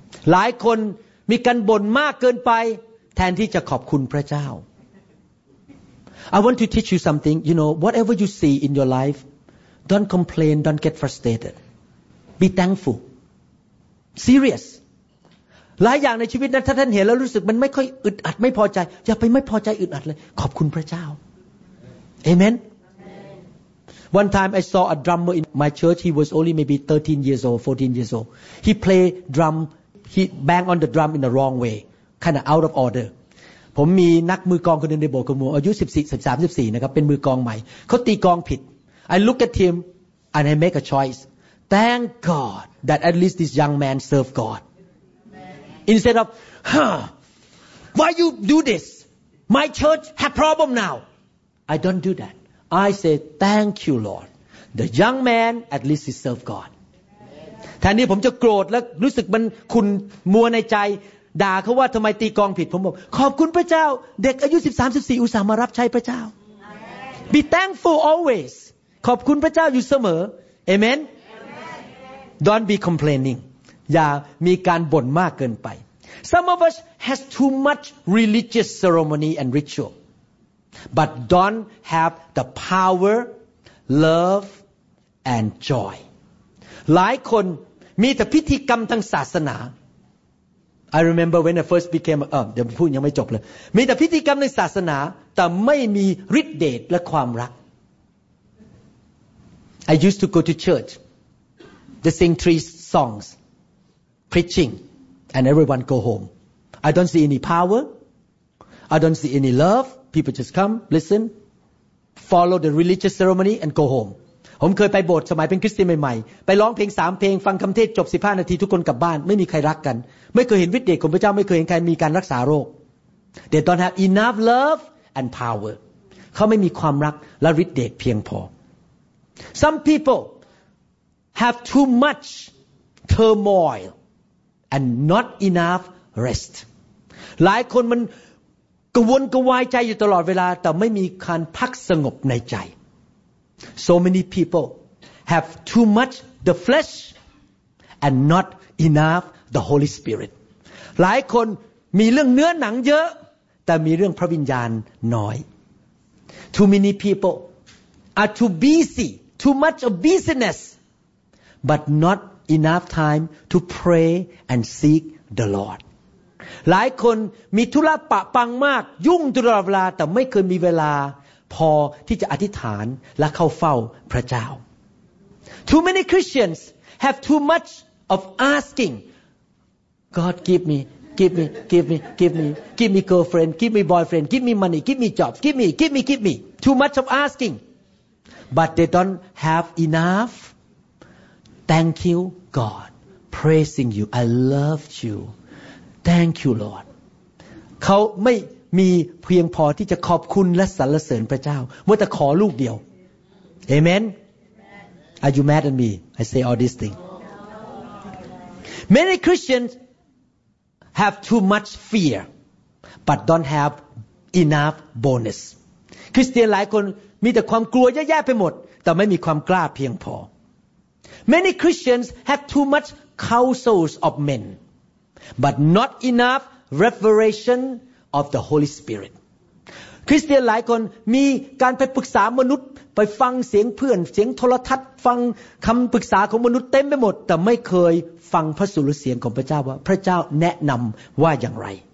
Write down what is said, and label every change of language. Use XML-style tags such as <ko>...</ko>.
<th>หลายคนมีการบ่นมากเกินไปแทนที่จะขอบคุณพระเจ้า</th> <en>I want to teach you something you know whatever you see in your life don't complain don't get frustrated be thankful serious</en> <th>หลายอย่างในชีวิตนั้นถ้าท่านเห็นแล้วรู้สึกมันไม่ค่อยอึดอัดไม่พอใจอย่าไปไม่พอใจอึดอัดเลยขอบคุณพระเจ้า</th> <en>AmenOne time I saw a drummer in my church. He was only maybe 13 years old, 14 years old. He played drum. He banged on the drum in the wrong way. Kind of out of order.</en> <th>ผมมีนักมือกลองคนนึงในโบสถ์ของผมอายุ14 นะครับเป็นมือกลองใหม่เขาตีกลองผิด</th> <en>I look at him and I make a choice. Thank God that at least this young man served God. Instead of, huh, why you do this? My church have problem now. I don't do that. I say thank you Lord the young man at least he served God</en> <th>แทนนี้ผมจะโกรธและรู้สึกมันขุ่นมัวในใจด่าเขาว่าทำไมตีกองผิดผมบอกขอบคุณพระเจ้าเด็กอายุ13 14อุตส่าห์มารับใช้พระเจ้า</th> <en>Be thankful always</en> <th>ขอบคุณพระเจ้าอยู่เสมอ Amen</th> <en>Don't be complaining</en> <th>อย่ามีการบ่นมากเกินไป</th> <en>Some of us has too much religious ceremony and ritualBut don't have the power, love, and joy.</en> <th>หลายคนมีแต่พิธีกรรมทางศาสนา</th> <en>I remember when I first became</en> <th>เดี๋ยวพูดยังไม่จบเลย มีแต่พิธีกรรมในศาสนาแต่ไม่มีฤทธิ์เดชและความรัก</th> <en>I used to go to church, they sing three songs, preaching, and everyone go home. I don't see any power, I don't see any love. People just come, listen, follow the religious ceremony, and go home.</en> <th>ผมเคยไปโบสถ์สมัยเป็นคริสเตียนใหม่ๆไปร้องเพลง3เพลงฟังคำเทศจบ15นาทีทุกคนกลับบ้านไม่มีใครรักกันไม่เคยเห็นฤทธิ์เดชของพระเจ้าไม่เคยเห็นใครมีการรักษาโรค</th> <en>They don't have enough love and power.</en> <th>เขาไม่มีความรักและฤทธิ์เดชเพียงพอ</th> <en>Some people have too much turmoil and not enough rest.</en> <th>หลายคนมันกวนกวายใจอยู่ตลอดเวลาแต่ไม่มีการพักสงบในใจ</th> <en>So many people have too much the flesh and not enough the Holy Spirit</en> <th>หลายคนมีเรื่องเนื้อหนังเยอะแต่มีเรื่องพระวิญญาณน้อย</th> <en>Too many people are too busy too much of business but not enough time to pray and seek the Lord.</en> <th>หลายคนมีธุระปะปังมากยุ่งตลอดเวลาแต่ไม่เคยมีเวลาพอที่จะอธิษฐานและเข้าเฝ้าพระเจ้า</th> <en>Too many Christians have too much of asking God give me girlfriend give me boyfriend give me money give me job give me too much of asking but they don't have enough thank you God praising you I love youThank you, Lord.</en> <th>เขาไม่มีเพียงพอที่จะขอบคุณและสรรเสริญพระเจ้าเมื่อแต่ขอลูกเดียว</th> <en>Amen. Are you mad at me? I say all these things. Many Christians have too much fear, but don't have enough boldness.</en> <th>คริสเตียนหลายคนมีแต่ความกลัวแย่ๆไปหมดแต่ไม่มีความกล้าเพียงพอ</th> <en>Many Christians have too much counsels of men but not enough revelation of the Holy Spirit</en> <th>คริสเตียนหลายคนมีการไปปรึกษามนุษย์ไปฟังเสียงเพื่อนเสียงโทรทัศน์ฟังคำปรึกษาของมนุษย์เต็มไปหมดแต่ไม่เคยฟังพระสุรเสียงของพระเจ้าว่าพระเจ้าแนะนำว่าอย่างไร</th>